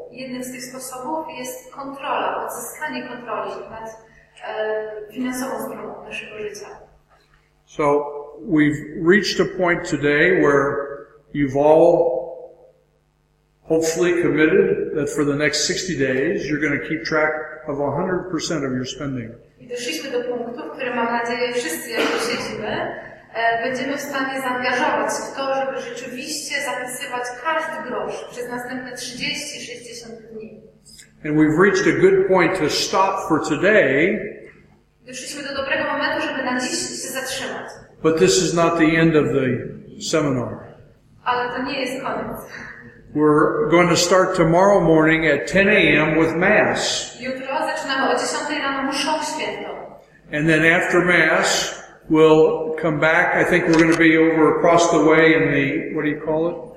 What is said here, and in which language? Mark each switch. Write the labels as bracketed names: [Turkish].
[Polish] Jednym z tych sposobów jest kontrola, odzyskanie kontroli nad finansową stroną naszego życia. [English] So we've reached a point today where you've all hopefully committed that for the next 60 days you're going to keep track of 100% of your spending. [Polish] I doszliśmy do punktu, w którym mam nadzieję wszyscy, jak siedzimy, będziemy w stanie zaangażować w to, żeby rzeczywiście zapisywać każdy grosz przez następne 30-60 dni. [English] And we've reached a good point to stop for today. [Polish] Doszliśmy do dobrego momentu, żeby na dziś się zatrzymać. [English] But this is not the end of the seminar. [Polish] Ale to nie jest koniec. [English] We're going to start tomorrow morning at 10 a.m. with Mass. [Polish] Jutro zaczynamy o 10 rano mszą świętą. [English] And then after Mass, we'll come back. I think we're going to be over across the way in the, what do you call it?